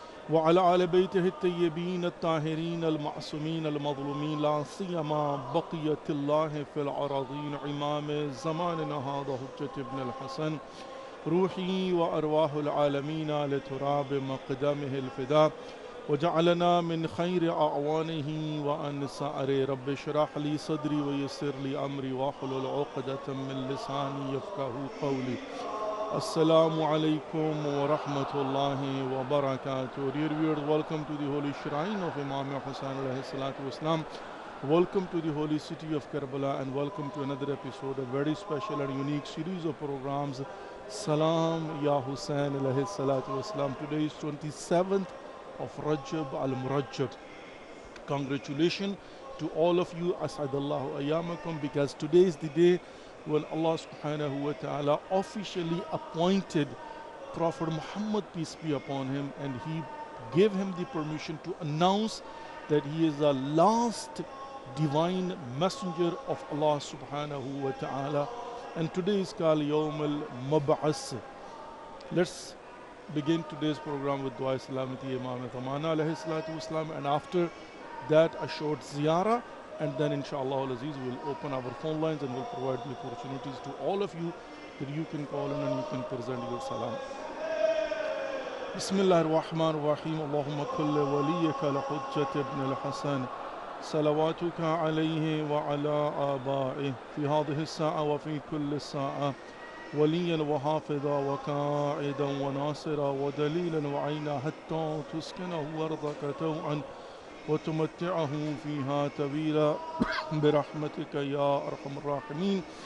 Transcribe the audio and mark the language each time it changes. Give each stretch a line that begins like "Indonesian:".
Arabic: وعلى ال بيته الطيبين الطاهرين المعصومين المظلومين لا سيما بقيه الله في الارضين امام زماننا هذا حجه ابن الحسن روحي وارواح العالمين لتراب مقدمه الفداء وجعلنا من خير اعوانه وان سائر رب اشرح لي صدري ويسر لي امري واحلل عقده من لساني يفقهوا قولي السلام عليكم ورحمه الله وبركاته
English: Dear viewers, welcome to the holy shrine of Imam Hussain alayhi salatu wasalam. Welcome to the holy city of Karbala and welcome to another episode, a very special and unique series of programs, Salam Ya Hussain alayhi salatu wasalam. Today is 27th of Rajab al-Murajjab. Congratulations to all of you,
Arabic: Asadallahu Ayyamakum,
English: because today is the day when Allah subhanahu wa ta'ala officially appointed Prophet Muhammad, peace be upon him, and he gave him the permission to announce that he is the last divine messenger of Allah subhanahu wa ta'ala. And today is called Yawm al-Mab'as. Let's begin today's program with Dua Salamati Imam Thamana alayhi salatu wasalam, and after that a short ziyara, and then inshallah al-Aziz will open our phone lines and will provide the opportunities to all of you that you can call in and you can present your salam. Bismillah ar-Rahman ar-Rahim.
Arabic: Allahumma kulli waliyaka al-Hujjat ibn al-Hasan salawatuka alayhi wa ala abaihi fi hadhihi as-sa'a wa fi kulli sa'a وليا وحافظا وقائدا وناصرا ودليلا وعينا حتى تسكنه ارضك طوعا وتمتعه فيها طويلا برحمتك يا ارحم الراحمين